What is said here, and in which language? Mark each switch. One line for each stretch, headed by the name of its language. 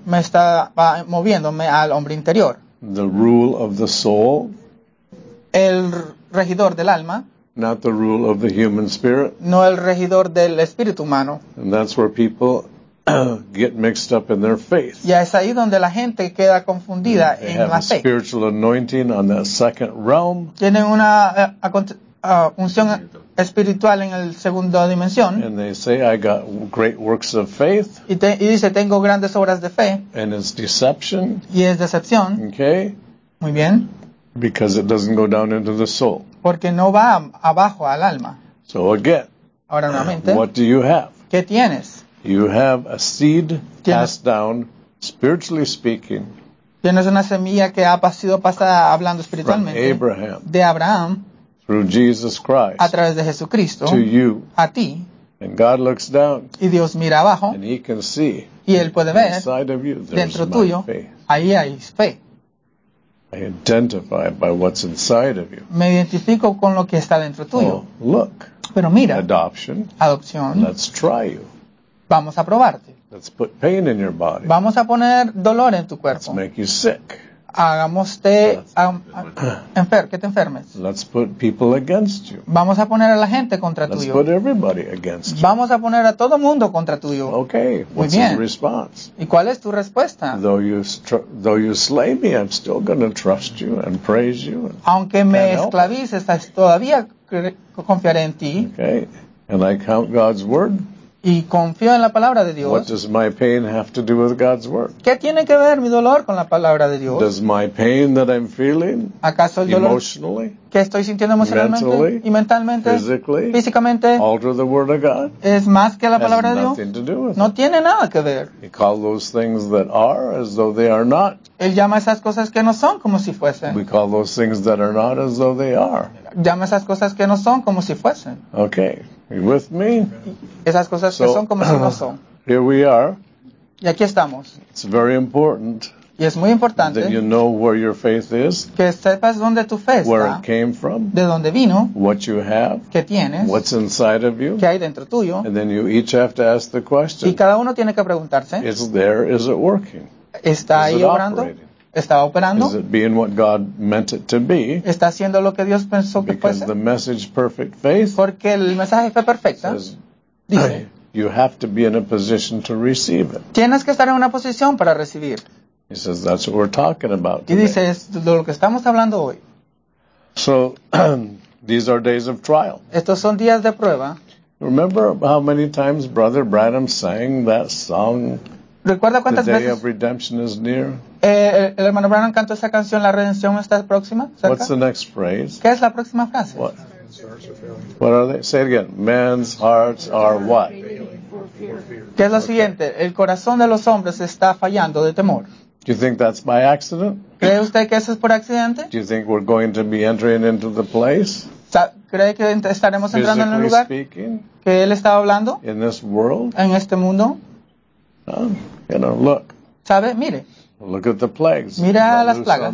Spanish: Me estaba moviéndome al hombre interior.
English: The rule of the soul.
Spanish: El regidor del alma.
English: Not the rule of the human spirit.
Spanish: No el regidor del espíritu humano.
English: And that's where people get mixed up in their faith.
Spanish: Ya es ahí donde la gente queda confundida en la fe.
English: They have a spiritual anointing on that second realm.
Spanish: Tienen una unción espiritual en el segundo dimensión.
English: And they say, I got great works of faith.
Spanish: Y dice, tengo grandes obras de fe.
English: And it's deception.
Spanish: Y es decepción.
English: Okay.
Spanish: Muy bien.
English: Because it doesn't go down into the soul.
Spanish: Porque no va abajo al alma.
English: So again,
Spanish: ahora nuevamente,
English: what do you have?
Spanish: ¿Qué tienes?
English: You have a seed cast down, spiritually speaking.
Spanish: Tienes una semilla que ha sido pasada hablando espiritualmente.
English: From Abraham.
Spanish: De Abraham.
English: Through Jesus Christ.
Spanish: A través de Jesucristo.
English: To you.
Spanish: A ti.
English: And God looks down.
Spanish: Y Dios mira abajo.
English: And he can see.
Spanish: Y él puede ver.
English: Inside of you,
Spanish: dentro tuyo. Ahí hay fe.
English: I identify by what's inside of you.
Spanish: Me identifico con lo que está dentro tuyo.
English: Oh, look.
Spanish: Pero mira.
English: Adoption.
Spanish: Adopción.
English: Let's try you.
Spanish: Vamos a probarte.
English: Let's put pain in your body.
Spanish: Vamos a poner dolor en tu cuerpo.
English: Let's make you sick.
Spanish: Hagámoste que te enfermes.
English: Let's put people against you.
Spanish: Vamos a poner a la gente contra
English: Let's
Spanish: tuyo.
English: Put everybody against you.
Spanish: Vamos a poner a todo mundo contra tuyo.
English: Okay,
Spanish: muy
English: what's
Spanish: bien.
English: Your response?
Spanish: ¿Y cuál es tu respuesta?
English: Though you slay me, I'm still going to trust you and praise you.
Spanish: Aunque me esclavices, todavía confiaré en ti.
English: Okay, and I count God's word.
Spanish: Y confío en la palabra de Dios.
English: What does my pain have to do with God's word?
Spanish: ¿Qué tiene que ver mi dolor con la palabra de Dios?
English: Does my pain that I'm feeling,
Spanish: ¿acaso el dolor
English: emotionally,
Spanish: que estoy sintiendo emocionalmente
English: mentally,
Spanish: y mentalmente,
English: physically,
Spanish: físicamente,
English: alter the word of God?
Spanish: ¿Es más que la palabra
English: has
Spanish: de Dios?
English: Nothing to do with
Spanish: no
English: it.
Spanish: Tiene nada que ver.
English: He calls those things that are as though they are not.
Spanish: Él llama esas cosas que no son como si fuesen.
English: We call those things that are not as though they are.
Spanish: Llama esas cosas que no son como si fuesen.
English: Okay. You with me?
Spanish: Esas cosas
English: so,
Spanish: que son como si no son.
English: Here we are.
Spanish: Y aquí estamos.
English: It's very important.
Spanish: Y es muy importante.
English: That you know where your faith is.
Spanish: Que sepas dónde tu fe está.
English: Where it came from.
Spanish: De dónde vino.
English: What you have.
Spanish: Qué tienes.
English: What's inside of you.
Spanish: Qué hay dentro tuyo.
English: And then you each have to ask the question.
Spanish: Y cada uno tiene que preguntarse.
English: Is there? Is it working?
Spanish: Está ahí operando. ¿Está operando?
English: Is it being what God meant it to be?
Spanish: ¿Está haciendo lo que Dios pensó que
English: Because
Spanish: fuese?
English: The message perfect faith
Spanish: Porque el mensaje fue perfecto.
English: Says,
Spanish: dice,
English: you have to be in a position to receive it.
Spanish: Tienes que estar en una posición para recibir.
English: He says, that's what we're talking about
Spanish: y dice, es de lo que estamos hablando hoy.
English: So, these are days of trial.
Spanish: Estos son días de prueba.
English: Remember how many times Brother Branham sang that song?
Spanish: ¿Recuerda cuántas
English: the day
Spanish: veces?
English: Of redemption is near.
Spanish: El hermano Branham cantó esa canción, la redención está próxima. Cerca.
English: What's the next phrase?
Spanish: ¿Qué es la próxima frase?
English: What are they? Say it again. Men's hearts are what?
Spanish: ¿Qué es lo okay. siguiente? El corazón de los hombres está fallando de temor.
English: Do you think that's by accident?
Spanish: ¿Cree usted que eso es por accidente?
English: Do you think we're going to be entering into the place?
Spanish: ¿Cree que estaremos entrando en el lugar
English: speaking?
Spanish: Que él estaba hablando?
English: In this world?
Spanish: En este mundo.
English: You know, look.
Spanish: ¿Sabe? Mire.
English: Look at the plagues.
Spanish: Mira las plagas.